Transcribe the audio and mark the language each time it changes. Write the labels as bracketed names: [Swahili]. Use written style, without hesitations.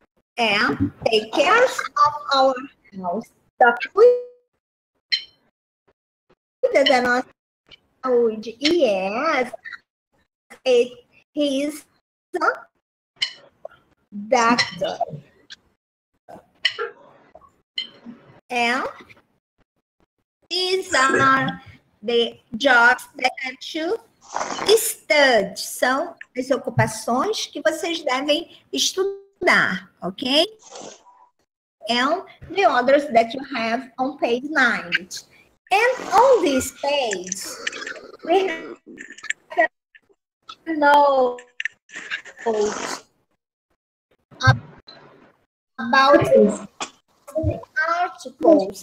[English] and take care of our house, that we doesn't, yes, it is the doctor. And these are the jobs that you study. [Portuguese] São as ocupações que vocês devem estudar, ok? [English] And the others that you have on page 9. And on this page, we have notes about articles.